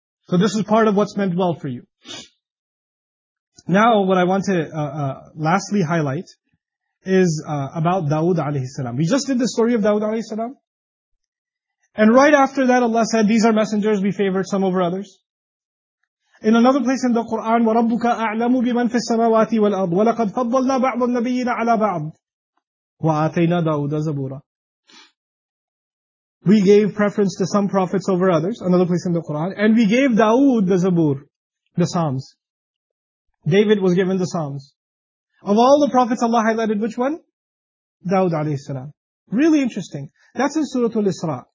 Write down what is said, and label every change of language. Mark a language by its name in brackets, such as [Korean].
[English] So this is part of what's meant well for you. Now what I want to lastly highlight is about Dawood alayhi salam. We just did the story of Dawood alayhi salam. And right after that Allah said, these are messengers, we favored some over others. In another place in the Quran, [Arabic] وَرَبُّكَ أَعْلَمُ بِمَنْ فِي السَّمَوَاتِ وَالْأَرْضِ وَلَقَدْ فَضَّلْنَا بَعْضَ النَّبِيِّينَ عَلَى بَعْضٍ وَآتَيْنَا دَاوُدَ زَبُورًا. [English] We gave preference to some prophets over others, another place in the Quran, and we gave Dawood the Zabur, the Psalms. David was given the Psalms. Of all the prophets Allah highlighted, which one? Dawood alayhi salam. Really interesting. That's in Surah Al-Isra.